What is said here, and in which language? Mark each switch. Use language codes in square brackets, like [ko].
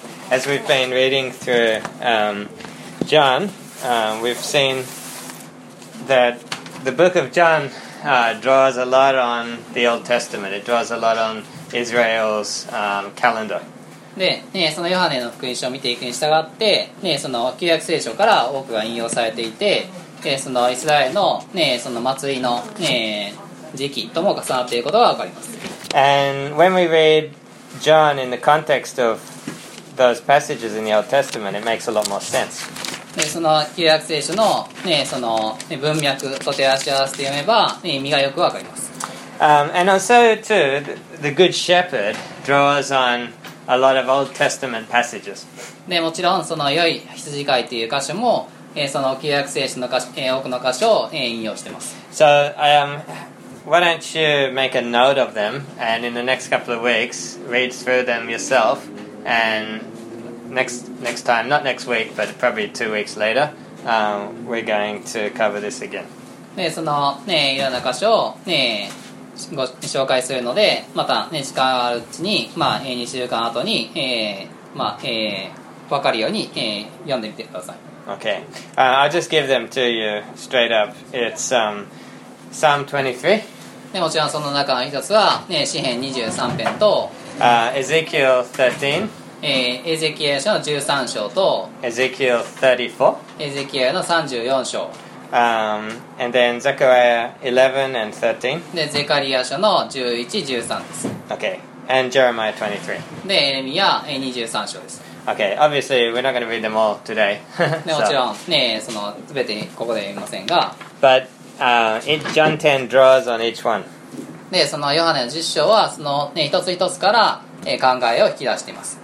[en] As we've been reading through John, we've seen that the book of John draws a lot on the Old Testament. It draws a lot on Israel's calendar. [ja] で、そのヨハネの福音書を見ていくに従って、その旧約聖書から多くが引用されていて、そのイスラエルの、その祭りの、時期とも重なっていることがわかります。 [en] And when we read John in the context of those passages in the Old Testament, it makes a lot more sense. [ja] で、その旧約聖書の、その文脈と照らし合わせて読めば、意味がよくわかります。 [en] And also too, the Good Shepherd draws on a lot of Old Testament passages. [ja] で、もちろんその良い羊飼いという箇所も、その旧約聖書の箇所、多くの箇所を引用しています。 [en] So I am... Why don't you make a note of them, and in the next couple of weeks, read through them yourself, and next time, not next week, but probably 2 weeks later, we're going to cover this again. [ja] で、その、いろんな箇所を、ご紹介するので、また、時間があるうちに、2週間後に、分かるように、読んでみてください。 [en] Okay. I'll just give them to you straight up. It's, Psalm 23. [ja] もちろんその中の一つは、詩編23編と、 [en] Ezekiel 13、 [ja] エゼキエル書の13章と、 [en] Ezekiel 34、 [ja] エゼキエルの34章、 [en] and then Zechariah 11 and 13、 [ja] でゼカリア書の11、13です。 [en] Okay, and Jeremiah 23。 [ja] でエレミア23章です。 [en] Okay, obviously we're not going to read them all today. [ja] でもちろん、そのすべてここで言いませんが、 [en] But,John 10 draws on each one. [ja] で、そのヨハネの十章はその、一つ一つから、考えを引き出しています。